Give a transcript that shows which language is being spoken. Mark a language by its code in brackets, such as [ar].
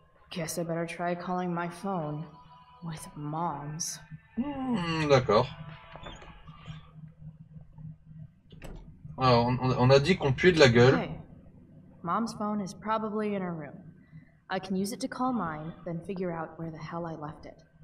[en] Guess I better try calling my phone with mom's. [fr] D'accord. Alors, on a dit qu'on puait de la gueule. [en] Okay. Mom's phone is probably in her room. I can use it to call mine, then figure out where the hell I left it.